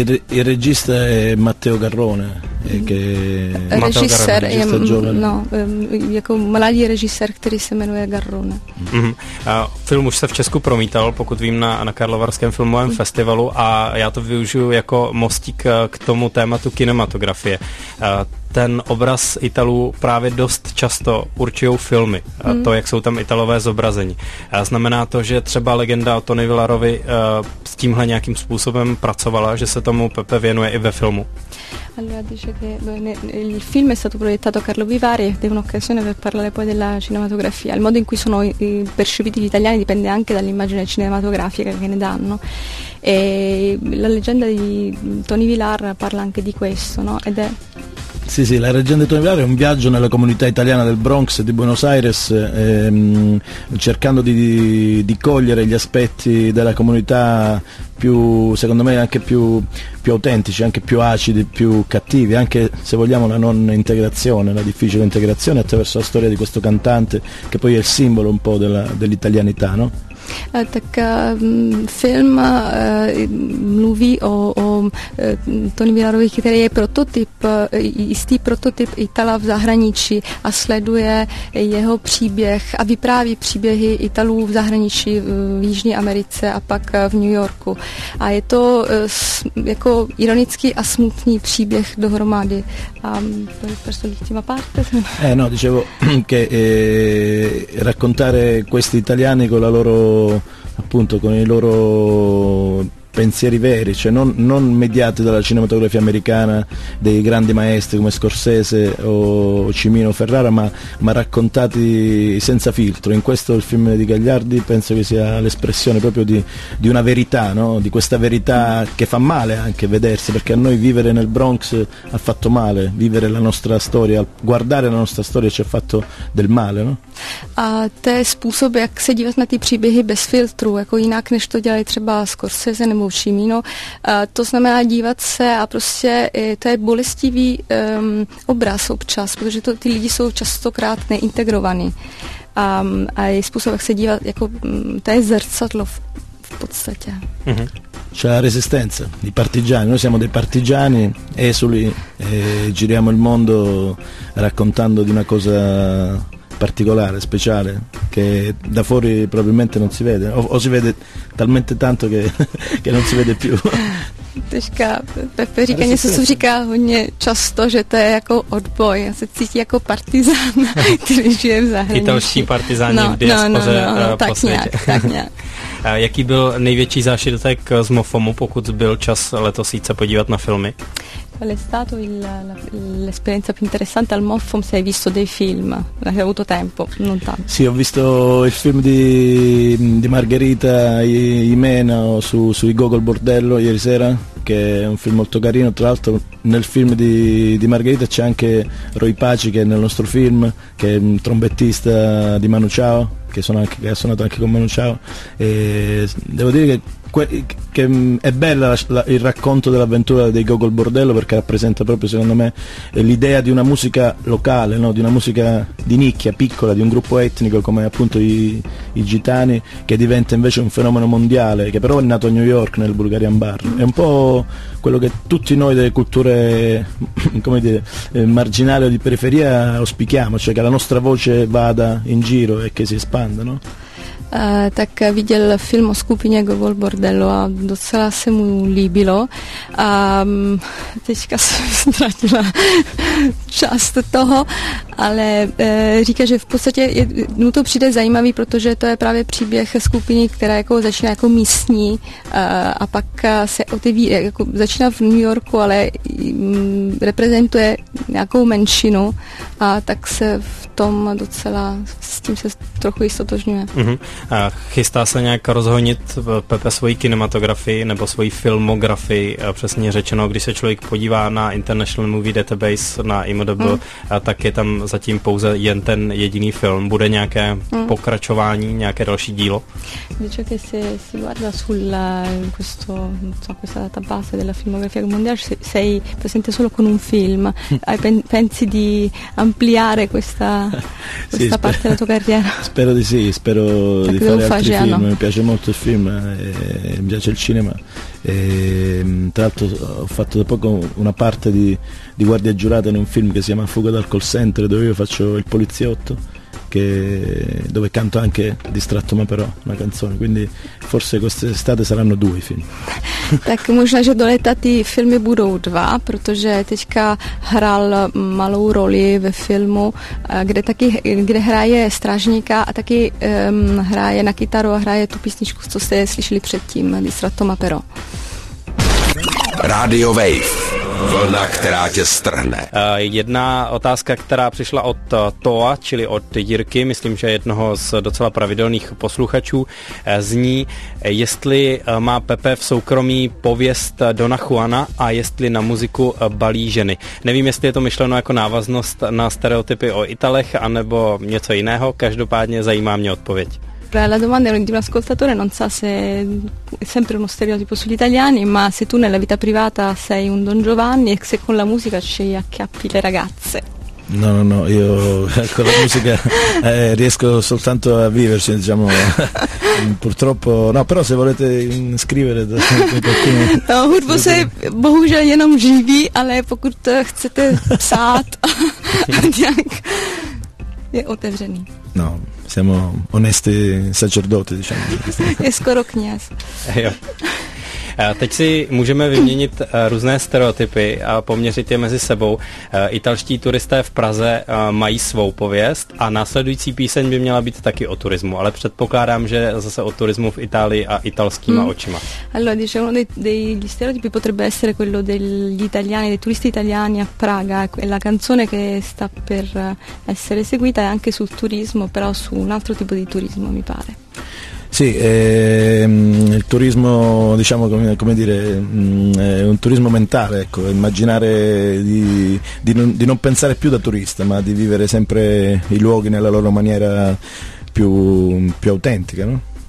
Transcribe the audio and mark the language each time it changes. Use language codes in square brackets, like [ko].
[it] Il regista [cs] je [it] Matteo Garrone. [cs] Režisér je jako mladý režisér, který se jmenuje Garrone. Mm-hmm. Film už se v Česku promítal, pokud vím, na Karlovarském filmovém festivalu, a já to využiju jako mostík k tomu tématu kinematografie. Ten obraz Italů právě dost často určují filmy, to, jak jsou tam Italové zobrazeni. Znamená to, že třeba legenda o Tony Villarovi s tímhle nějakým způsobem pracovala, že se tomu Pepe věnuje i ve filmu? [it] Allora dice che il film è stato proiettato a Carlo Vivari ed è un'occasione per parlare poi della cinematografia. Il modo in cui sono percepiti gli italiani dipende anche dall'immagine cinematografica che ne danno. E la leggenda di Tony Villar parla anche di questo, no? Ed è... Sì, sì, la leggenda di Tony Villar è un viaggio nella comunità italiana del Bronx di Buenos Aires, cercando di cogliere gli aspetti della comunità più, secondo me, anche più autentici, anche più acidi, più cattivi, anche se vogliamo la non integrazione, la difficile integrazione attraverso la storia di questo cantante che poi è il simbolo un po' dell'italianità, no? [cs] Tak film mluví o Tony Villarovi, který je jistý prototyp Itala v zahraničí a sleduje jeho příběh a vypráví příběhy Italů v zahraničí v Jižní Americe a pak v New Yorku. A je to jako ironický a smutný příběh dohromady. A to je prostě [it] l'ultima parte. No, dicevo che raccontare questi italiani con la loro, appunto, con i loro pensieri veri, cioè non mediati dalla cinematografia americana dei grandi maestri come Scorsese o Cimino Ferrara, ma raccontati senza filtro. In questo il film di Gagliardi penso che sia l'espressione proprio di una verità, no? Di questa verità che fa male anche vedersi, perché a noi vivere nel Bronx ha fatto male, vivere la nostra storia, guardare la nostra storia ci ha fatto del male, no? [cs] A to je způsob, jak se dívat na ty příběhy bez filtru, jako jinak, než to dělají třeba Scorsese nebo Cimino. To znamená dívat se a prostě to je bolestivý obraz občas, protože ty lidi jsou častokrát neintegrovaní. A je způsob, jak se dívat, jako to je zrcadlo v podstatě. Mm-hmm. [it] C'è la resistenza, i partigiani, noi siamo dei partigiani esuli e giriamo il mondo raccontando di una cosa particolare, speciale, che da fuori probabilmente non si vede, o si vede talmente tanto che non si vede più. [cs] Teďka Pepe říká něco, co říká hodně často, že to je jako odboj. Já se cítí jako partizán, který žije v zahraničí. Italští partizáni v diaspoře tak po světě. Tak nějak. Jaký byl největší zážitek z Mofomu, pokud byl čas letos jít se podívat na filmy? [it] Qual è stato l'esperienza più interessante al MoFOM? Se hai visto dei film, hai avuto tempo, non tanto. Sì, ho visto il film di Margherita Imena sui Gogol Bordello ieri sera, che è un film molto carino. Tra l'altro nel film di Margherita c'è anche Roy Paci, che è nel nostro film, che è un trombettista di Manu Chao. che ha suonato anche con Manu Chao, e devo dire che è bella il racconto dell'avventura dei Gogol Bordello, perché rappresenta proprio secondo me l'idea di una musica locale, no? Di una musica di nicchia, piccola, di un gruppo etnico come appunto i Gitani, che diventa invece un fenomeno mondiale, che però è nato a New York nel Bulgarian Bar. È un po' quello che tutti noi delle culture, come dire, marginali o di periferia auspichiamo, cioè che la nostra voce vada in giro e che si espanda, no? [cs] Tak viděl film o skupině Gogol Bordello a docela se mu líbilo. A teďka jsem ztratila část toho, ale říká, že v podstatě mu to přijde zajímavý, protože to je právě příběh skupiny, která jako začíná jako místní a pak se otevírá, jako začíná v New Yorku, ale reprezentuje nějakou menšinu, a tak se v tom docela, s tím se trochu stotožňuje. Mm-hmm. A chystá se nějak rozhodnit Pepe svoji kinematografii nebo svoji filmografii, přesně řečeno, když se člověk podívá na International Movie Database, na IMDb, tak je tam zatím pouze jen ten jediný film. Bude nějaké pokračování, nějaké další dílo? [it] Dice che se si guarda sulla questo, insomma, questa database della filmografia mondiale, sei presente solo con un film. Pensi di ampliare questa sì, parte della tua carriera? Spero di sì, spero di fare altri film. Mi piace molto il film, mi piace il cinema. E, tra l'altro ho fatto da poco una parte di guardia giurata in un film che si chiama Fuga dal call center, dove io faccio il poliziotto, dove canto anche Distratto ma però, una canzone. Quindi forse quest'estate saranno due i film. [cs] Tak možná, že do léta ty filmy budou dva, protože teďka hrál malou roli ve filmu, kde hraje strážníka a taky hraje na kytaru a hraje tu písničku, co jste slyšeli předtím, Distratto ma però. Radio Wave. Vlna, která tě strhne. Jedna otázka, která přišla od Toa, čili od Jirky, myslím, že jednoho z docela pravidelných posluchačů, zní, jestli má Pepe v soukromí pověst Dona Juana a jestli na muziku balí ženy. Nevím, jestli je to myšleno jako návaznost na stereotypy o Italech anebo něco jiného, každopádně zajímá mě odpověď. [it] La domanda di un ascoltatore non sa se è sempre uno stereotipo sugli italiani, ma se tu nella vita privata sei un Don Giovanni e se con la musica scegli a chiappi le ragazze. No, io con la musica riesco soltanto a viverci, diciamo, purtroppo, no, però se volete scrivere qualcuno... [cs] No, hudbu se bohužel jenom živí, ale pokud chcete psát nějak... Je otevřený. [it] No, siamo onesti sacerdoti, diciamo. [cs] È skoro kněz. Jo. Teď si můžeme vyměnit různé stereotypy a poměřit je mezi sebou. Italští turisté v Praze mají svou pověst a následující píseň by měla být taky o turismu, ale předpokládám, že zase o turismu v Itálii a italskýma očima. [it] Allora, diciamo, degli stereotipi potrebbe essere quello degli italiani, dei turisti italiani a Praga, e la canzone che sta per essere seguita è anche sul turismo, però su un altro tipo di turismo, mi pare. Sì, il turismo, diciamo, come dire, è un turismo mentale, ecco, immaginare di non pensare più da turista, ma di vivere sempre i luoghi nella loro maniera più autentica, no?